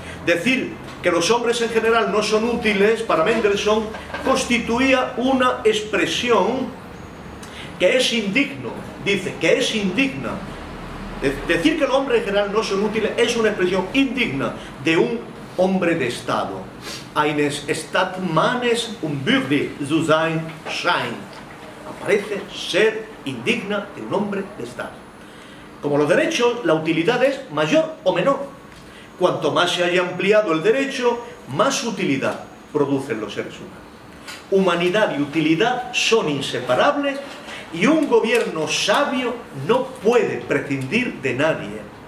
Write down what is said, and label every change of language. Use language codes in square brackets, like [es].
[es] Decir que los hombres en general no son útiles para Mendelssohn constituía una expresión que es indigno, dice, que es indigna. Decir que los hombres en general no son útiles es una expresión indigna de un hombre de Estado. [de] Eines Staatsmannes unwürdig zu sein scheint. [es] Aparece ser indigna de un hombre de Estado. Como los derechos, la utilidad es mayor o menor. Cuanto más se haya ampliado el derecho, más utilidad producen los seres humanos. Humanidad y utilidad son inseparables, y un gobierno sabio no puede prescindir de nadie.